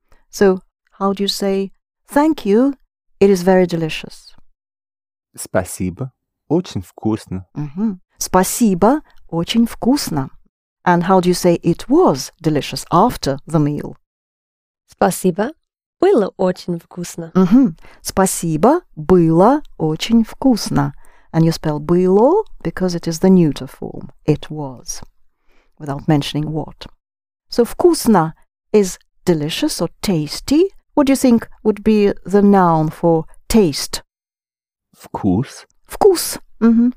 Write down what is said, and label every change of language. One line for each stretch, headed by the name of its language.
English: So, how do you say, thank you, it is very delicious?
Russian: Спасибо, очень вкусно. Mm-hmm. Спасибо, очень вкусно.
English: And how do you say, it was delicious after the meal?
Russian: Спасибо, было очень вкусно. Mm-hmm. Спасибо, было очень вкусно.
English: And you spell было because it is the neuter form, it was, without mentioning what. So вкусно is delicious or tasty. What do you think would be the noun for taste?
Russian: Вкус. Вкус. Mm-hmm.